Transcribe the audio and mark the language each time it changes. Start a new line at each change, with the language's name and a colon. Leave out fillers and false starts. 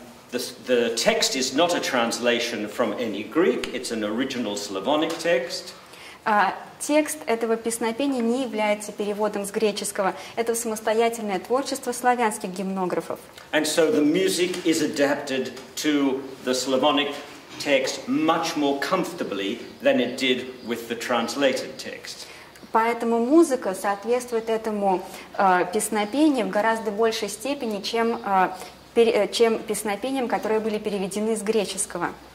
English: The text is not a translation from any Greek, it's an original Slavonic text.
Russian: Текст этого песнопения не является переводом с греческого. Это самостоятельное творчество славянских гимнографов.
English: And so the music is adapted to the Slavonic text much more comfortably than it did with the translated text.
Russian: Поэтому музыка соответствует этому песнопению в гораздо большей степени, чем песнопениям, которые были переведены с греческого.